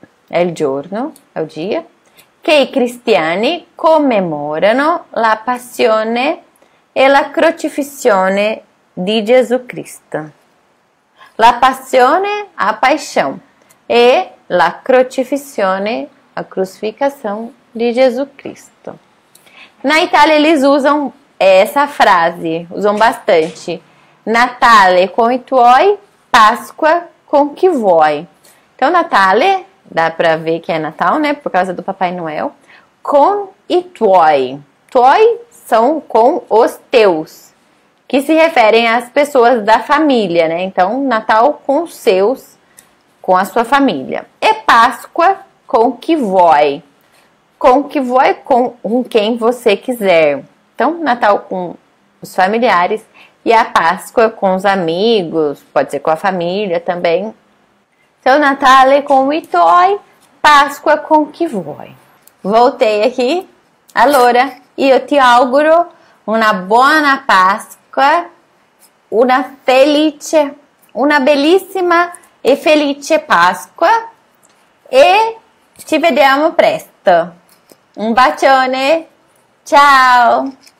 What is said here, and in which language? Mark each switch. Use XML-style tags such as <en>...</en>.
<it>È il giorno, oggi, che i cristiani commemorano la passione e la crocifissione di Gesù Cristo. La passione</it> <pt>a paixão</pt> <it>e la crocifissione</it> <pt>a crucificação</pt> <it>di Gesù Cristo.</it> <pt>Na Itália eles usam essa frase, usam bastante.</pt> <it>Natale com i tuoi, Pasqua com chi vuoi.</it> <pt>Então, Natale, dá pra ver che è Natal, né? Por causa do Papai Noel.</pt> <it>Con i tuoi.</it> <pt>Tuoi são com os teus, que se referem às pessoas da família, né? Então, Natal com os seus, com a sua família. E Páscoa com chi vuoi.</pt> <it>Com chi vuoi,</it> <pt>com quem você quiser. Então, Natal com os familiares e a Páscoa com os amigos, pode ser com a família também. Então, Natale com i tuoi, Páscoa com chi vuoi. Voltei aqui, allora, io ti auguro una buona Pasqua, una felice, una bellissima e felice Pasqua e ci vediamo presto. Un bacione, ciao!</pt>